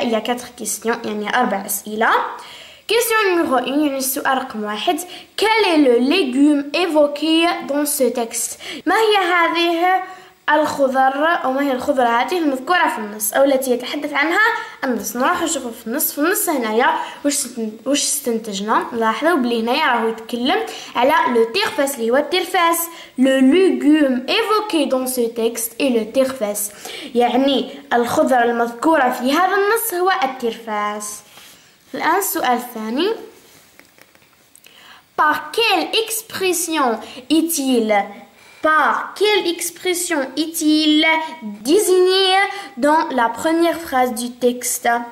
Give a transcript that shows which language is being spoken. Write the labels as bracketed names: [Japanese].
[French] Il y a 4 questions, [Arabic] يعني 4 أسئلة. [French] Question numéro 1, [Arabic] يعني السؤال رقم 1. [French] Quel est le légume évoqué dans ce texte? [Arabic] ما هي هذه الخضر أو ما هي الخضرة هذه المذكورة في النص أو التي يتحدث عنها النص نروح نشوفه في النص في النص هنا يا وش استنتجنا لاحظوا بلي هنا يا راهو يتكلم على لو تيرفاس اللي هو الترفاس [French] لو لوغوم ايفوكي دون سو تيكست اي لو تيرفاس [Arabic] يعني الخضرة المذكورة في هذا النص هو الترفاس الآن السؤال الثاني [French] par quelle expression est-il Par quelle expression est-il désigné dans la première phrase du texte?